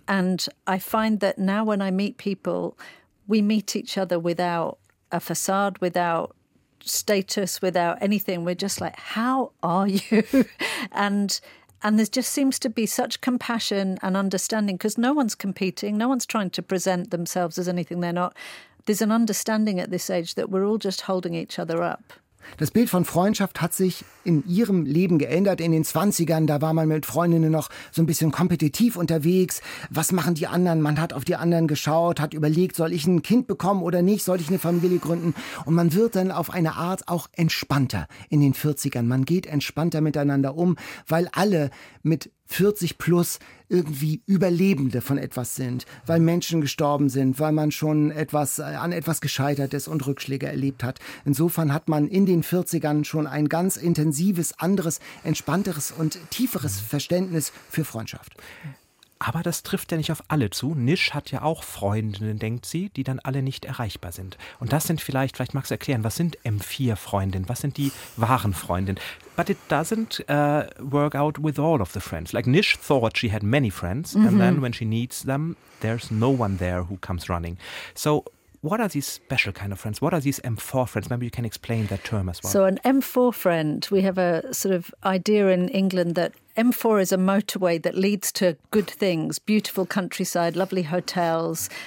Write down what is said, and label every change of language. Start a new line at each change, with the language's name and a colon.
English: And I find that now when I meet people, we meet each other without a facade, without status, without anything. We're just like, how are you? And there just seems to be such compassion and understanding because no one's competing. No one's trying to present themselves as anything they're not. There's an understanding at this age that we're all just holding each other up.
German: Das Bild von Freundschaft hat sich in ihrem Leben geändert. In den 20ern, da war man mit Freundinnen noch so ein bisschen kompetitiv unterwegs. Was machen die anderen? Man hat auf die anderen geschaut, hat überlegt, soll ich ein Kind bekommen oder nicht? Soll ich eine Familie gründen? Und man wird dann auf eine Art auch entspannter in den 40ern. Man geht entspannter miteinander um, weil alle mit 40 plus irgendwie Überlebende von etwas sind, weil Menschen gestorben sind, weil man schon etwas an etwas gescheitert ist und Rückschläge erlebt hat. Insofern hat man in den 40ern schon ein ganz intensives, anderes, entspannteres und tieferes Verständnis für Freundschaft. Aber das trifft ja nicht auf alle zu. Nish hat ja auch Freundinnen, denkt sie, die dann alle nicht erreichbar sind. Und das sind vielleicht magst du erklären, was sind M4-Freundinnen? Was sind die wahren Freundinnen?
English: But it doesn't work out with all of the friends. Like Nish thought she had many friends, mm-hmm. and then when she needs them, there's no one there who comes running. So what are these special kind of friends? What are these M4 friends? Maybe you can explain that term as well. So an M4 friend, we have a sort of idea in England that M4 is a motorway that leads to good things, beautiful countryside, lovely hotels.